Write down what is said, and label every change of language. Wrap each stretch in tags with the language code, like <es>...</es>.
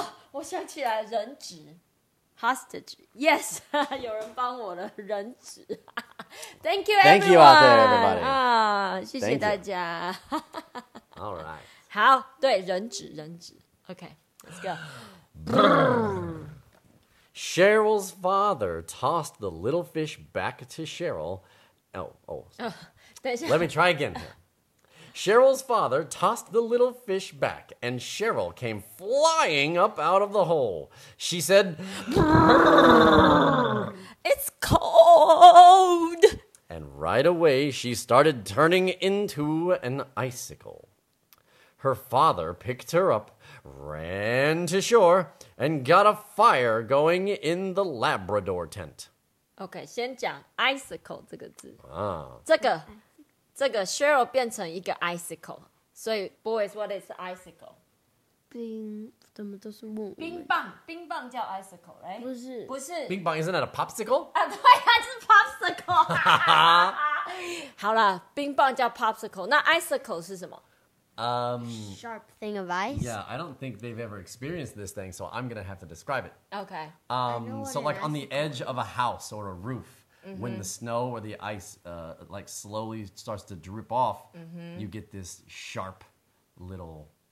<zh>我想起来，人质 ，hostage。Yes， 有人帮我了，人质。</zh> <en>Thank you, everyone. Thank you out there, everybody.</en> <zh>啊，谢谢大家。</zh> <en>All right.</en> <zh>好，对，人质，人质。</zh> <en>Okay, let's go. Cheryl's father tossed the little fish back to Cheryl. Oh.</en> <zh>等一下。</zh> <en>Let me try again. Cheryl's father tossed the little fish back, and Cheryl came flying up out of the hole. She said, It's cold! And right away, she started turning into an icicle. Her father picked her up, ran to shore, and got a fire going in the Labrador tent.</en> <zh>Okay, 先讲 icicle 这个字。 Ah. 这个 Cheryl 变成一个 icicle， 所以</zh> <en>boys what is icicle？</en> <zh>冰怎么都是问冰棒，冰棒叫 icicle， 哎、欸，不是，</zh> <en>冰棒 isn't that a popsicle？</en> <zh>啊，对啊，是 popsicle。好了，冰棒叫 popsicle， 那 icicle 是什么？</zh> <en>Sharp thing of ice. Yeah, I don't think they've ever experienced this thing, so I'm gonna have to describe it. Okay. So like on the edge of a house or a roof. Mm-hmm. When the snow or the ice, like, slowly starts to drip off,、 mm-hmm. you get this sharp little、</en>